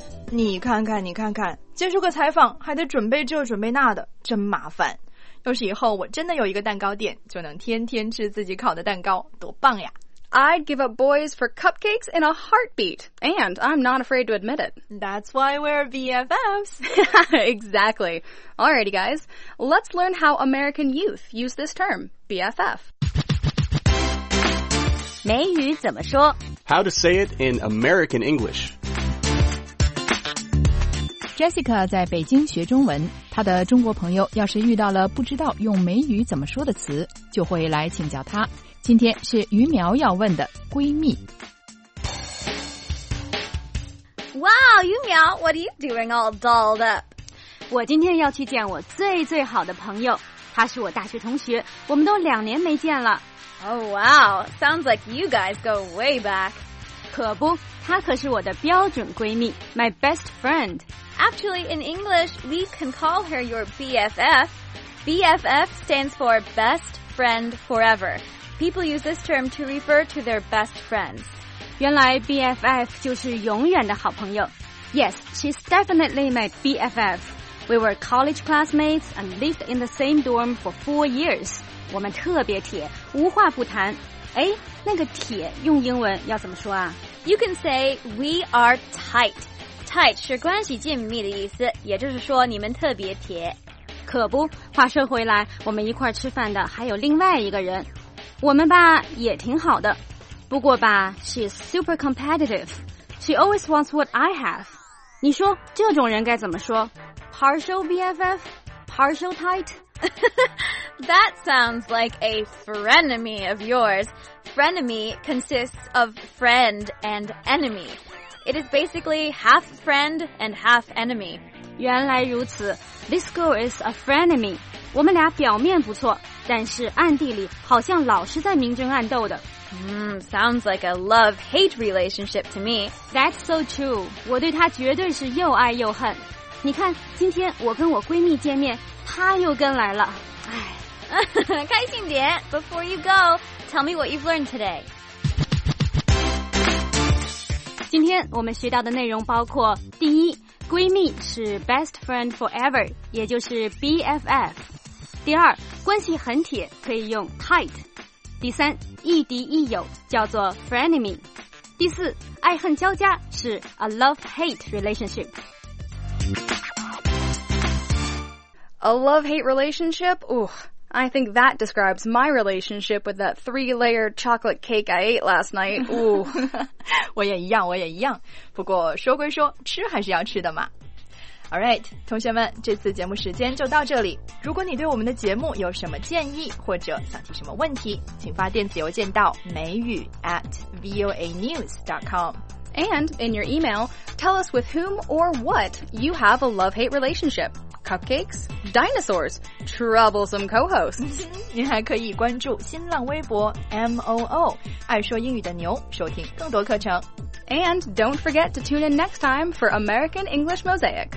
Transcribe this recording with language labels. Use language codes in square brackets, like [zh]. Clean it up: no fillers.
[zh] 你看看，你看看，接受个采访还得准备这准备那的，真麻烦。要是以后我真的有一个蛋糕店，就能天天吃自己烤的蛋糕，多棒呀！ [en] I'd give up boys for cupcakes in a heartbeat, and I'm not afraid to admit it. That's why we're BFFs. Exactly. Alrighty, guys, let's learn how American youth use this term, BFF. [zh] 美语怎么说？ [en] How to say it in American English? [zh] Jessica 在北京学中文，她的中国朋友要是遇到了不知道用美语怎么说的词，就会来请教她。今天是于苗要问的闺蜜。 [en] Wow, 于苗 what are you doing all dolled up? [zh] 我今天要去见我最最好的朋友，她是我大学同学，我们都两年没见了。 [en] Oh wow, sounds like you guys go way back. [zh] 可不，她可是我的标准闺蜜 , [en] my best friend. Actually, in English, we can call her your BFF. BFF stands for Best Friend Forever. People use this term to refer to their best friends. [zh] 原来 BFF 就是永远的好朋友。 [en] Yes, she's definitely my BFF. We were college classmates and lived in the same dorm for 4 years. [zh] 我们特别铁，无话不谈。哎，那个铁用英文要怎么说啊？ [en] You can say we are tight. [zh] Tight 是关系紧密的意思，也就是说你们特别铁。可不，话说回来，我们一块吃饭的还有另外一个人，我们吧也挺好的。不过吧 [en] ，she's super competitive. She always wants what I have. [zh] 你说这种人该怎么说 ？ [en] Partial BFF, partial tight. That sounds like a frenemy of yours. Frenemy consists of friend and enemy. It is basically half friend and half enemy. [zh] 原来如此 [en] This girl is a frenemy. [zh] 我们俩表面不错，但是暗地里好像老是在明争暗斗的。 [en] Sounds like a love-hate relationship to me. That's so true. [zh] 我对她绝对是又爱又恨。你看，今天我跟我闺蜜见面，她又跟来了。哎，开心点。 [en] Before you go, tell me what you've learned today. [zh] 今天我们学到的内容包括第一，闺蜜是 best friend forever， 也就是 BFF。第二，关系很铁可以用 tight。第三，亦敌亦友叫做 frenemy。第四，爱恨交加是 a love-hate relationship。 [en] A love-hate relationship? Ooh, I think that describes my relationship with that three-layered chocolate cake I ate last night. Ooh. [zh] 我也一样，我也一样。不过说归说，吃还是要吃的嘛。 [en] All right, [zh] 同学们，这次节目时间就到这里。如果你对我们的节目有什么建议或者想提什么问题，请发电子邮件到美语@voanews.com。 [en] And in your email, tell us with whom or what you have a love-hate relationship. Cupcakes? Dinosaurs? Troublesome co-hosts? [zh] 您还可以关注新浪微博 MOO, 爱说英语的牛，收听更多课程。 [en] And don't forget to tune in next time for American English Mosaic.